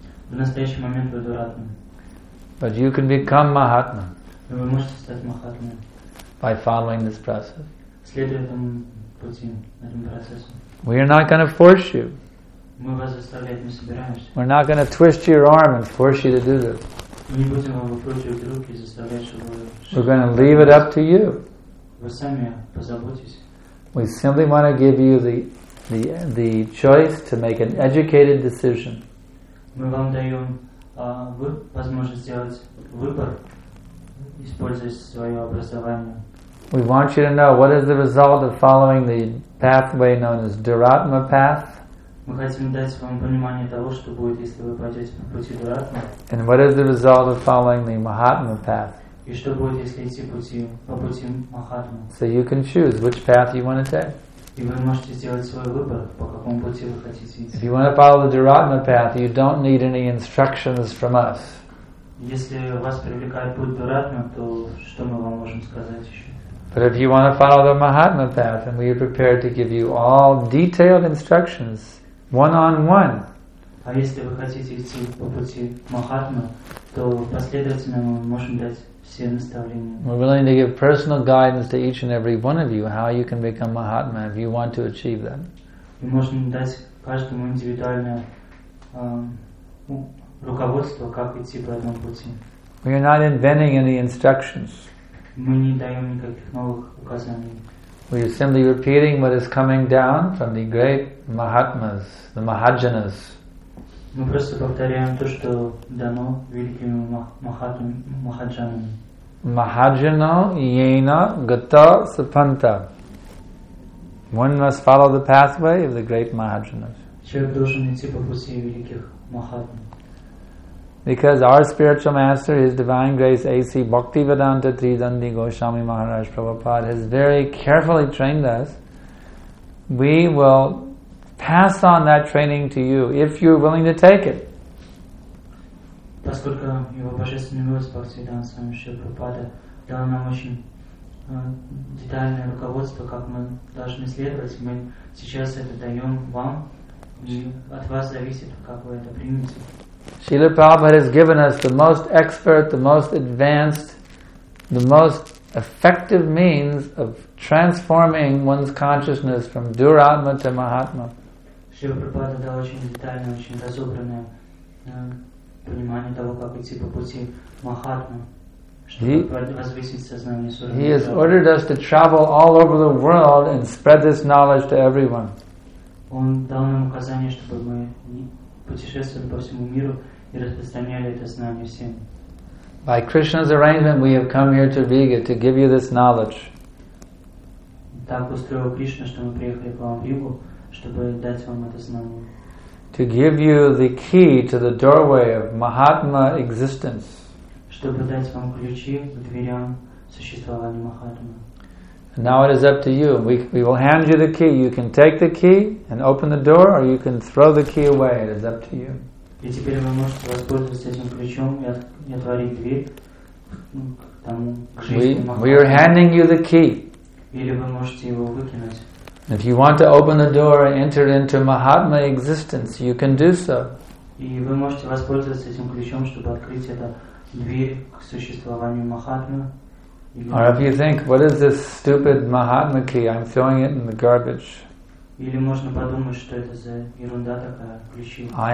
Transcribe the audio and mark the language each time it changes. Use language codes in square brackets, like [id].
[ru] В настоящий момент вы Дуратма. [en] But you can become Mahatma. [ru] Но вы можете стать Mahatma. [en] By following this process. [ru] Следуя этому пути, этому процессу. [en] We are not going to force you. [ru] Мы вас заставлять не собираемся. [en] We're not going to twist your arm and force you to do this. [ru] Не будем вам выкручивать руки и заставлять, чтобы вы. [en] We're going to leave it up to you. [ru] Вы сами позаботьтесь. [en] We simply want to give you the choice to make an educated decision. [ru] Мы вам даем возможность сделать выбор, используя свое образование. [en] We want you to know what is the result of following the pathway known as Dharatma path. [ru] Мы хотим дать вам понимание того, что будет, если вы пойдете по пути Дхаратмы. [en] And what is the result of following the Mahatma path? [ru] И что будет, если идти по пути Mahatma? [en] So you can choose which path you want to take. [ru] И вы можете сделать свой выбор, по какому пути вы хотите идти. [en] If you want to follow the Dharatma path, you don't need any instructions from us. [ru] Если вас привлекает путь Дхаратмы, то что мы вам можем сказать еще? [en] But if you want to follow the Mahatma path, then we are prepared to give you all detailed instructions, one-on-one. [ru] А если вы хотите идти по пути Mahatma, то последовательно мы можем дать все наставления. [en] We're willing to give personal guidance to each and every one of you how you can become Mahatma if you want to achieve that. [ru] Мы можем дать каждому индивидуальное руководство, как идти по этому пути. [en] We are not inventing any instructions. [ru] Мы не даем никаких новых указаний. [en] We are simply repeating what is coming down from the great Mahatmas, the Mahajanas. [ru] Мы просто повторяем то, что дано великими Mahajanami. [sa] Mahajana yena gata sapanta. [en] One must follow the pathway of the great Mahajanas. [ru] Человек должен идти по пути великих Mahatma. [en] Because our spiritual master, His Divine Grace, A.C. Bhaktivedanta Tridandi Goswami Maharaj Prabhupada, has very carefully trained us we will pass on that training to you if you're willing to take it. [ru] Поскольку его божественный милость Бхактисиддханта Свами Шрила Прабхупада дал нам очень детальное руководство, как мы должны следовать, мы сейчас это даем вам, и от вас зависит, как вы это примете. [en] Srila Prabhupada has given us the most expert, the most advanced, the most effective means of transforming one's consciousness from Duratma to Mahatma. [ru] Srila Prabhupada дал очень детальное, очень разобранное понимание того, как идти по пути Махатмы, чтобы возвысить сознание Сурья. [en] He has ordered us to travel all over the world and spread this knowledge to everyone. [ru] Он дал нам указание, чтобы мы путешествовали по всему миру и распространяли это знание всем. [en] By Krishna's arrangement, we have come here to Riga to give you this knowledge. [ru] Так устроил Кришна, что мы приехали к вам в Ригу, чтобы дать вам это знание. [en] To give you the key to the doorway of Mahatma existence. [ru] Чтобы дать вам ключи к дверям существования Махатмы. [en] And now it is up to you. We will hand you the key. You can take the key and open the door, or you can throw the key away. It is up to you. [ru] И теперь вы можете воспользоваться этим ключом и отворить дверь там к жизни. [en] We are handing you the key. [ru] Или вы можете его выкинуть. [en] If you want to open the door and enter into Mahatma existence, you can do so. [ru] И вы можете воспользоваться этим ключом, чтобы открыть эту дверь к существованию Махатмы. [en] Or if you think, what is this stupid Mahatma key? I'm throwing it in the garbage. [ru] Или можно подумать, что это за ерунда такая, ключи.